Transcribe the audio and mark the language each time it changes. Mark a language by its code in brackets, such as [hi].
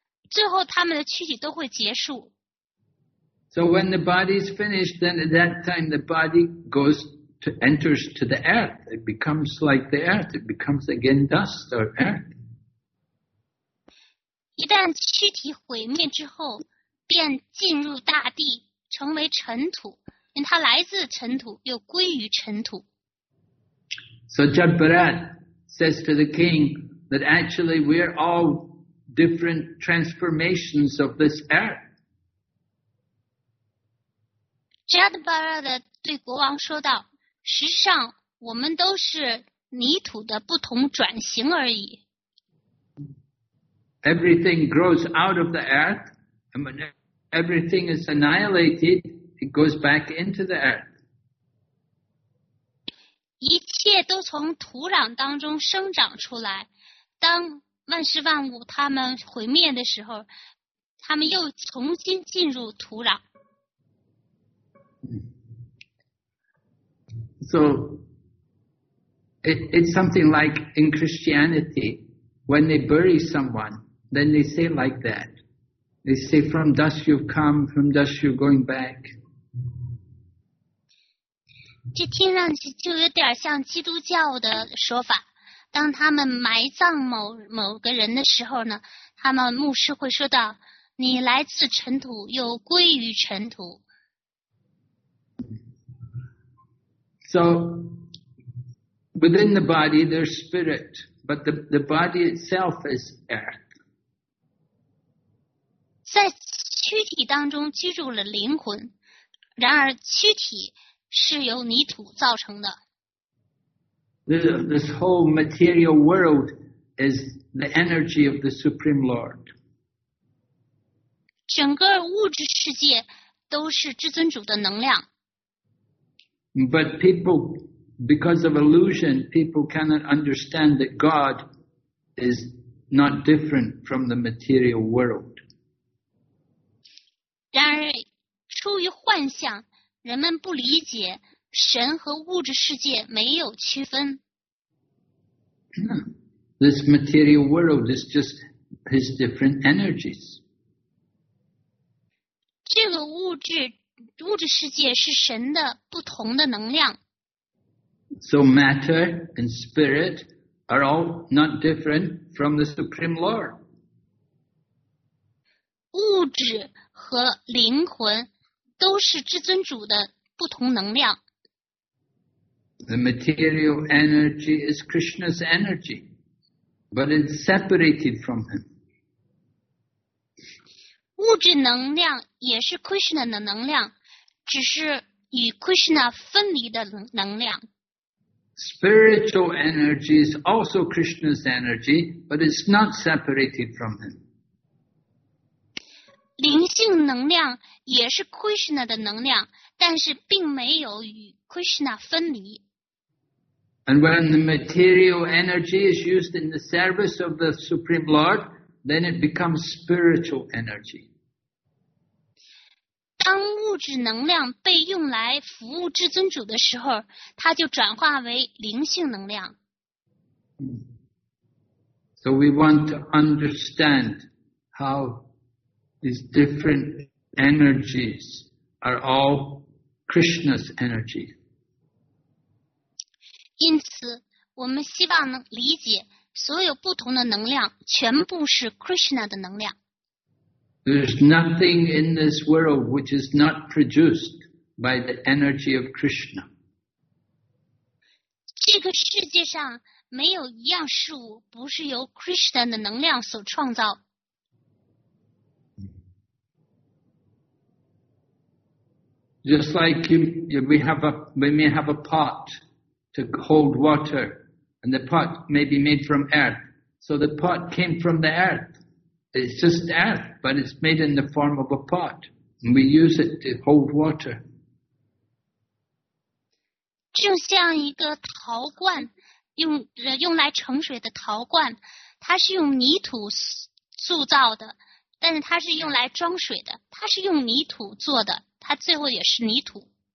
[zh] 最后他们的躯体都会结束。 [en] So when the body is finished, then at that time the body goes to enters to the earth. It becomes like the earth. It becomes again dust or earth. [zh] 一旦躯体毁灭之后，便进入大地，成为尘土，因为它来自尘土，又归于尘土。 [en] So Judd Barat says to the king that actually we are all different transformations of this earth. [zh] Judd Barat 对国王说道，实际上我们都是泥土的不同转型而已。 [en] Everything grows out of the earth, and when everything is annihilated, it goes back into the earth. [zh] 一切都从土壤当中生长出来，当万事万物它们毁灭的时候，它们又重新进入土壤。 [en] So, it's something like in Christianity, when they bury someone, then they say like that. They say, from dust you've come, from dust you're going back. [zh] 这听上去就有点像基督教的说法。当他们埋葬某个人的时候呢，他们牧师会说到，你来自尘土，又归于尘土。 [en] So, within the body, there's spirit, but the body itself is earth. [zh] 在躯体当中居住了灵魂，然而躯体是由泥土造成的。 [en] This whole material world is the energy of the Supreme Lord. [zh] 整个物质世界都是至尊主的能量。 [en] But people, because of illusion, people cannot understand that God is not different from the material world. [zh] 然而，出于幻想，人们不理解神和物质世界没有区分。 [en] This material world is just his different energies. [zh] 这个物质世界是神的不同的能量。 [en] So matter and spirit are all not different from the Supreme Lord. [zh] 物质和灵魂都是至尊主的不同能量。 [en] The material energy is Krishna's energy, but it's separated from him. [zh] 物质能量也是 Krishna 的能量。只是与 Krishna 分离的能量。 [en] Spiritual energy is also Krishna's energy, but it's not separated from him. [zh] 灵性能量也是 Krishna 的能量，但是并没有与 Krishna 分离。 [en] And when the material energy is used in the service of the Supreme Lord, then it becomes spiritual energy. [zh] 当物质能量被用来服务至尊主的时候，它就转化为灵性能量。 [en] So we want to understand how these different energies are all Krishna's energy. [zh] 因此，我们希望能理解所有不同的能量全部是 Krishna 的能量。 [en] There's nothing in this world which is not produced by the energy of Krishna. [zh] 这个世界上没有一样事物不是由 Krishna 的能量所创造。 [en] Just like we may have a pot to hold water, and the pot may be made from earth. So the pot came from the earth. It's just earth, but it's made in the form of a pot, and we use it to hold water. [zh] 就像一个陶罐，用来盛水的陶罐，它是用泥土塑造的，但是它是用来装水的，它是用泥土做的。它最后也是泥土。